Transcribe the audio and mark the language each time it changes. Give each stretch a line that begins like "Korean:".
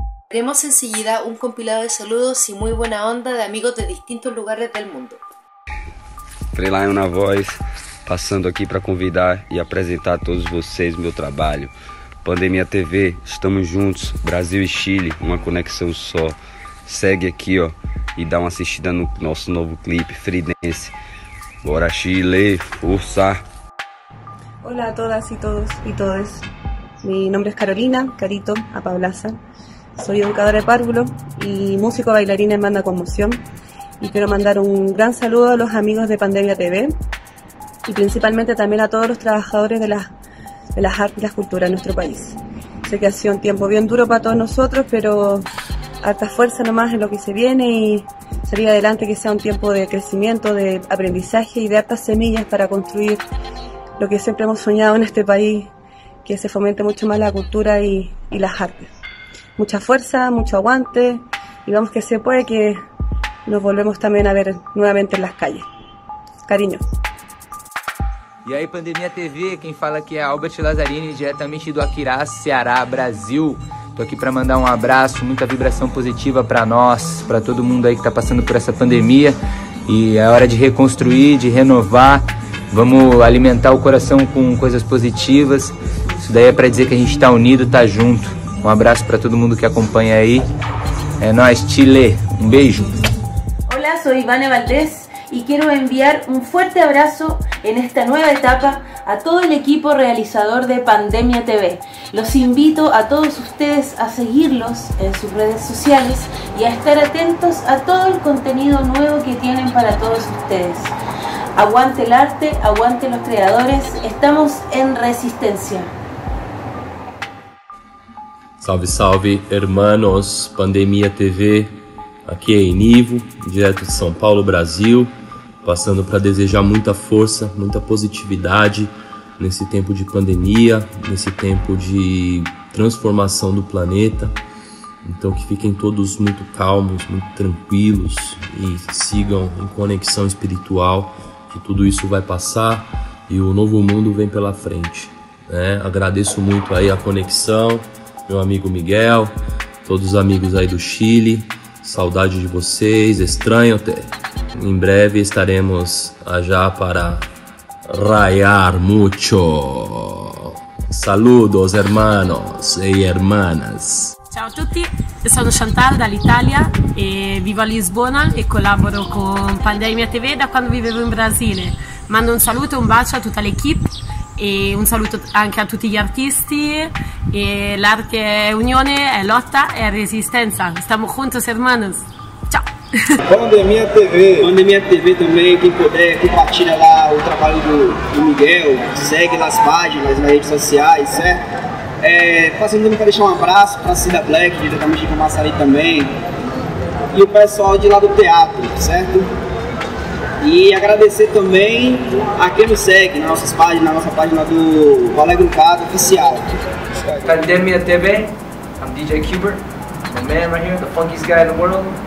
Spanish: Tenemos enseguida un compilado de saludos y muy buena onda de amigos de distintos lugares del mundo. Freeline, una voz.
Portuguese: passando aqui para convidar e apresentar a todos vocês meu trabalho. Pandemia TV, estamos juntos, Brasil e Chile, uma conexão só. Segue aqui, ó, e dá uma assistida no nosso novo clipe, Free Dance. Bora, Chile, força! Olá a todas e todos e todas. Meu nome é Carolina, Carito, a Pablaza.
Spanish: Soy educadora de párvulo y músico bailarina en banda Conmoción y quiero mandar un gran saludo a los amigos de Pandemia TV y principalmente también a todos los trabajadores de las artes y las culturas en nuestro país. Sé que ha sido un tiempo bien duro para todos nosotros, pero harta fuerza nomás en lo que se viene y salir adelante, que sea un tiempo de crecimiento, de aprendizaje y de hartas semillas para construir lo que siempre hemos soñado en este país, que se fomente mucho más la cultura y las artes. Mucha fuerza, mucho aguante y vamos que se puede que nos volvemos también a ver nuevamente en las calles. Cariño.
Portuguese: E aí, Pandemia TV, quem fala aqui é Albert Lazzarini, diretamente do Aquirá, Ceará, Brasil. Tô aqui para mandar um abraço, muita vibração positiva para nós, para todo mundo aí que tá passando por essa pandemia. E é hora de reconstruir, de renovar. Vamos alimentar o coração com coisas positivas. Isso daí é para dizer que a gente tá unido, tá junto. Um abraço para todo mundo que acompanha aí. É nóis, Chile. Um beijo. Olá, sou Ivane Valdés e quero enviar um forte abraço em esta nova etapa a todo o equipo realizador de Pandemia TV.
Spanish: Los invito a todos ustedes a seguirlos en sus redes sociales y a estar atentos a todo el contenido nuevo que tienen para todos ustedes. Aguante el arte, aguante los creadores. Estamos en resistencia.
Portuguese: Salve, salve, hermanos, Pandemia TV, aqui é Inivo, direto de São Paulo, Brasil, passando para desejar muita força, muita positividade nesse tempo de pandemia, nesse tempo de transformação do planeta. Então que fiquem todos muito calmos, muito tranquilos e sigam em conexão espiritual, que tudo isso vai passar e o novo mundo vem pela frente, né? Agradeço muito aí a conexão. Meu amigo Miguel, todos os amigos aí do Chile, saudade de vocês, estranho até. Em breve estaremos já para raiar mucho.
Spanish: Saludos, hermanos e hermanas.
Italian: Ciao a tutti, eu sono Chantal dall'Italia e vivo a Lisbona e collaboro con Pandemia TV da quando vivevo in Brasile. Mando un saluto e un bacio a tutta l'equipe. E un saluto anche a tutti gli artisti. E l'arte è unione, è lotta, è resistenza. Stiamo
Spanish: juntos, hermanos.
Italian: Ciao!
Portuguese: Pandemia TV! Pandemia TV também, quem puder, compartilha lá o trabalho do Miguel, segue nas páginas, nas redes sociais, certo? Passando também para deixar um abraço para a Cida Black, diretamente com o Massari também, e o pessoal de lá do teatro, certo? E agradecer também a quem nos segue nas nossas páginas, na nossa página do Vale Agrupado Oficial.
English: Pandemia TV, I'm DJ Cuber, my man right here, the funkiest guy in the world.